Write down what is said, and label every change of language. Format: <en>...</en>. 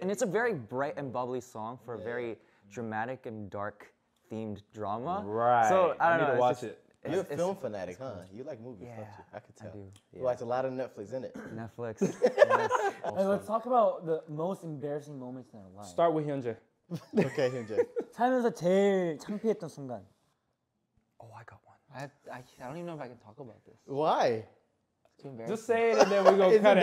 <en>And it's a very bright and bubbly song for a very dramatic and dark themed drama. Right. So I need to watch it. You're a film fanatic, huh? You like movies, don't you? I could tell. I do. You watch a lot of Netflix, isn't it? Netflix. Hey, let's talk about the most embarrassing moments in our life. Start with Hyunjae. Okay, Hyunjae.</en> <ko>살면서 제일 창피했던 순간.</ko> <en>Oh, I got one. I don't even know if I can talk about this. Why? It's too embarrassing. Just say it and then we go cut it.</en>